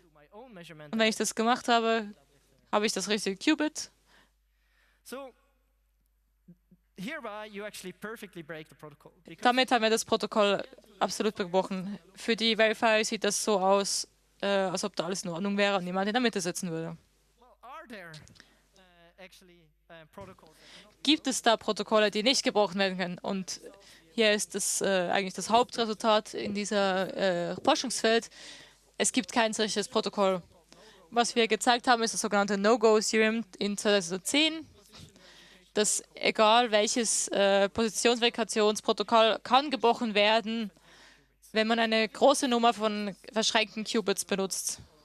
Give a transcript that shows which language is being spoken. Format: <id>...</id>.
<de>Und wenn ich das gemacht habe, habe ich das richtige Qubit.</de> <en>So, hereby you actually perfectly break the protocol.</en> <de>Damit haben wir das Protokoll absolut gebrochen. Für die Verify sieht das so aus, als ob da alles in Ordnung wäre und niemand in der Mitte sitzen würde.</de> <en>Well, are there, actually, protocols?</en> <de>Gibt es da Protokolle, die nicht gebrochen werden können? Und hier ist das eigentlich das Hauptresultat in diesem Forschungsfeld. Es gibt kein solches Protokoll. Was wir gezeigt haben, ist das sogenannte No-Go-Theorem in 2010, dass egal welches Positionsverifikationsprotokoll kann gebrochen werden, wenn man eine große Nummer von verschränkten Qubits benutzt.</de>